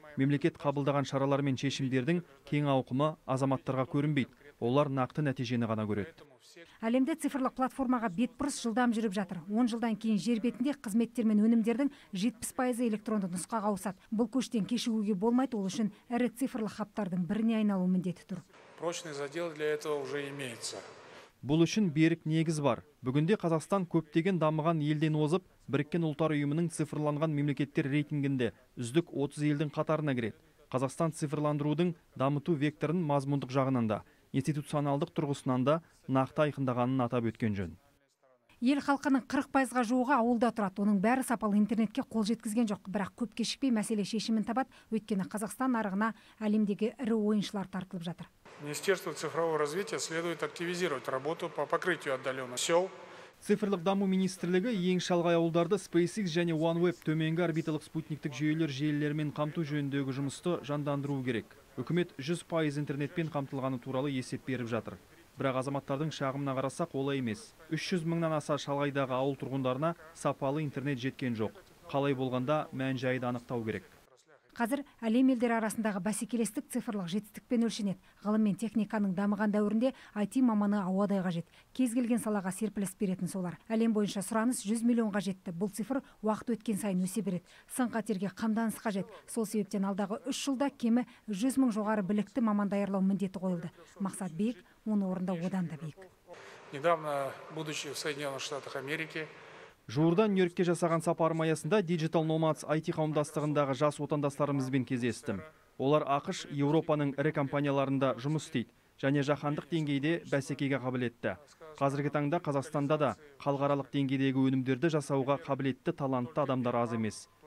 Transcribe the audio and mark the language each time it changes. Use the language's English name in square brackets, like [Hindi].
[Kazakh] Мемлекет қабылдаған шаралар мен шешімдердің кең ауқымы азаматтарға көрінбейді. Олар нақты нәтижені ғана көреді. Әлемде цифрлық платформаға бетбұрыс жылдам жүріп жатыр. 10 жылдан кейін жер бетінде қызметтер мен өнімдердің 70% электронды нұсқаға ауысады. Бұл көштен кешігуге болмайды, ол үшін әрі цифрлық хабтардың біріне айналу міндеті тұр. [Russian] Прочный задел для этого уже имеется. [Kazakh] Бұл үшін берік негіз бар. Бүгінде Қазақстан көптеген дамыған елден озып, Біріккен Ұлттар Ұйымының цифрланған мемлекеттер рейтингінде үздік 30 елдің қатарына кіреді. Қазақстан цифрландырудың дамыту векторын мазмұндық жағынан да, институционалдық тұрғысынан да нақты айқындағанын атап өткен жөн. Ел халқының 40%-ға жуығы ауылда тұрады. Оның бәрі сапалы интернетке қол жеткізген жоқ. Бірақ көп кешікпей мәселе шешімін табады, өйткені Қазақстан нарығына әлемдегі ірі ойыншылар тартылып жатыр. [Russian] Министерство цифрового развития следует активизировать работу по покрытию отдаленных сел. [Kazakh] Цифрлық даму министрлігі ең шалғай ауылдарды SpaceX және OneWeb төменгі орбиталық спутниктік жүйелер желілерімен қамту жөніндегі жұмысты жандандыру керек. Үкімет 100% интернетпен қамтылғаны туралы есеп беріп жатыр. Бірақ азаматтардың шағымына қарасақ олай емес. 300 мыңнан аса шалғайдағы ауыл тұрғындарына сапалы интернет жеткен жоқ. Қалай болғанда мән-жайды анықтау керек. Қазір әлем елдері арасындағы бәсекелестік цифрлық жетістікпен өлшенеді. Ғылым мен техниканың дамыған дәуірінде IT маманы ауадай қажет. Кез келген салаға серпіліс беретін солар. Әлем бойынша сұраныс 100 миллионға жетті. Бұл цифр уақыт өткен сайын өсе береді. Сын қатерге қамданыс қажет. Сол себептен алдағы 3 жылда кемі 100 мың жоғары білікті маман даярлау міндеті қойылды. Мақсат биік, оны орында одан да биік. [Russian] Недавно, будучи в Соединенных Штатах Америки, [Kazakh] жуырда Нью-Йоркке жасаған сапарым аясында Digital Nomads IT қауымдастығындағы жас отандастарымызбен кездестім. Олар ақыш Еуропаның ірі компанияларында жұмыс істейді және жаһандық деңгейде бәсекеге қабілетті. Қазіргі таңда Қазақстанда да халықаралық деңгейдегі өнімдерді жасауға қабілетті талантты адамдар аз емес.